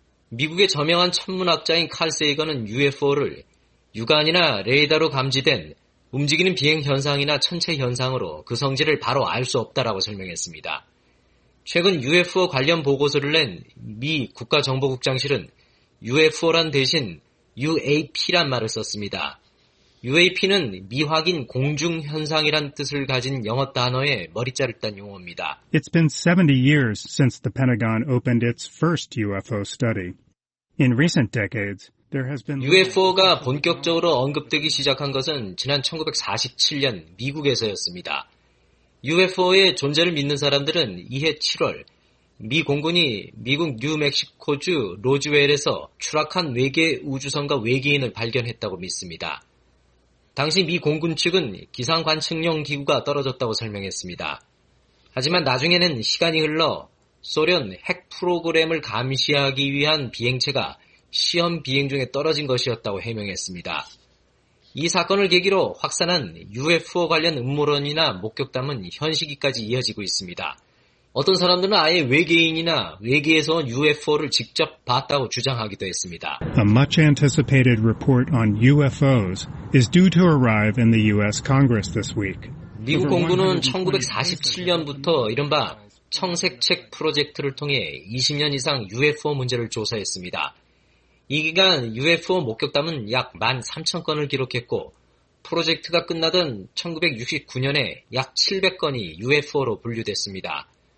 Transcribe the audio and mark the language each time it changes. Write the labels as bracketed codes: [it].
[ko] 미국의 저명한 천문학자인 칼 세이건은 UFO를 육안이나 레이더로 감지된 움직이는 비행 현상이나 천체 현상으로 그 성질을 바로 알 수 없다라고 설명했습니다. 최근 UFO 관련 보고서를 낸 미 국가정보국장실은 UFO란 대신 UAP란 말을 썼습니다. UAP는 미확인 공중현상이란 뜻을 가진 영어 단어의 머리자를 딴 용어입니다. [en] It's been 70 years since the Pentagon opened its first UFO study. In recent decades, there has been... [ko] UFO가 본격적으로 언급되기 시작한 것은 지난 1947년 미국에서였습니다. UFO의 존재를 믿는 사람들은 이해 7월 미 공군이 미국 뉴멕시코주 로즈웰에서 추락한 외계 우주선과 외계인을 발견했다고 믿습니다. 당시 미 공군 측은 기상관측용 기구가 떨어졌다고 설명했습니다. 하지만 나중에는 시간이 흘러 소련 핵 프로그램을 감시하기 위한 비행체가 시험 비행 중에 떨어진 것이었다고 해명했습니다. 이 사건을 계기로 확산한 UFO 관련 음모론이나 목격담은 현시기까지 이어지고 있습니다. 어떤 사람들은 아예 외계인이나 외계에서 온 UFO를 직접 봤다고 주장하기도 했습니다. [en] A much anticipated report on UFOs is due to arrive in the US Congress this week. [ko] 미국 공군은 1947년부터 이른바 청색책 프로젝트를 통해 20년 이상 UFO 문제를 조사했습니다. 이 기간 UFO 목격담은 약 13,000건을 기록했고 프로젝트가 끝나던 1969년에 약 700건이 UFO로 분류됐습니다.